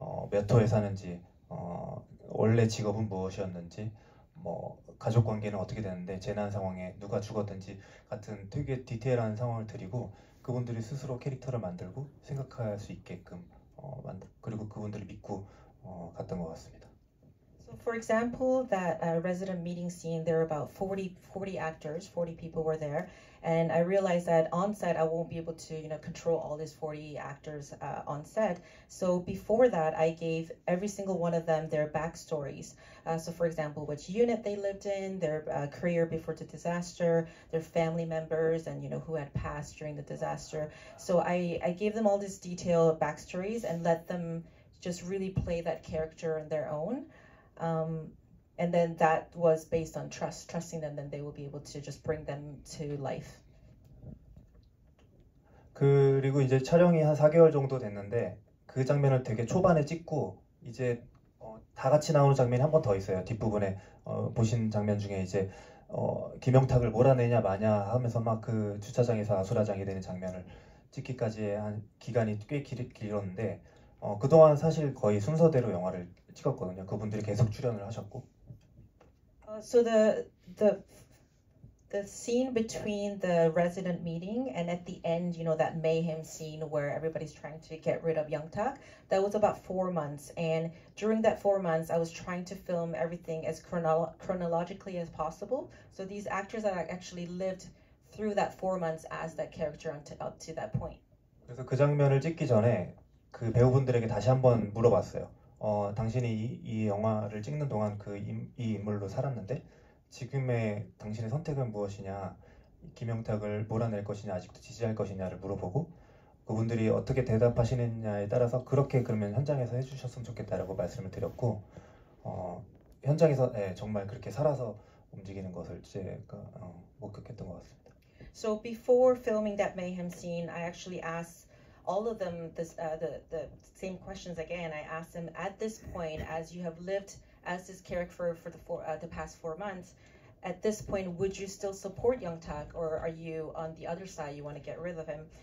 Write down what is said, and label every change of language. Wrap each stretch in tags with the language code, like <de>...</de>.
<ko>몇 호에 사는지, 원래 직업은 무엇이었는지, 가족 관계는 어떻게 되는데, 재난 상황에 누가 죽었든지 같은 되게 디테일한 상황을 드리고, 그분들이 스스로 캐릭터를 만들고 생각할 수 있게끔, 그리고 그분들을 믿고 갔던 것 같습니다.</ko> <en>For example, that resident meeting scene, there were about 40 actors, 40 people were there, and I realized that on set I won't be able to, control all these 40 actors on set. So before that, I gave every single one of them their backstories. So for example, which unit they lived in, their career before the disaster, their family members, and who had passed during the disaster. So I gave them all these detailed backstories and let them just really play that character on their own. And then that was based on trusting them, then they will be able to just bring them to life.</en> <ko>그리고 이제 촬영이 한 4개월 정도 됐는데, 그 장면을 되게 초반에 찍고 이제 다 같이 나오는 장면이 한번더 있어요. 뒷부분에 보신 장면 중에 이제 김영탁을 몰아내냐 마냐 하면서 막그 주차장에서 아수라장이 되는 장면을 찍기까지의 한 기간이 꽤 길었는데, 그동안 사실 거의 순서대로 영화를 찍었거든요. 그분들이 계속 출연을 하셨고.</ko> <en>So the scene between the resident meeting and at the end, that mayhem scene where everybody's trying to get rid of Young-tak, that was about 4 months. And during that 4 months, I was trying to film everything as chronologically as possible. So these actors that actually lived through that 4 months as that character up to that point.</en> <ko>그래서 그 장면을 찍기 전에 그 배우분들에게 다시 한번 물어봤어요. 당신이 이 영화를 찍는 동안 이 인물로 살았는데, 지금의 당신의 선택은 무엇이냐, 김영탁을 몰아낼 것이냐, 아직도 지지할 것이냐를 물어보고, 그분들이 어떻게 대답하시느냐에 따라서 그렇게 그러면 현장에서 해주셨으면 좋겠다라고 말씀을 드렸고, 현장에서 정말 그렇게 살아서 움직이는 것을 제가 목격했던 것 같습니다.</ko> <en>So before filming that mayhem scene, I actually asked all of them the same questions again. I asked them, at this point, as you have lived as this character for the past 4 months, at this point, would you still support Young-tak, or are you on the other side? You want to get rid of him?</en>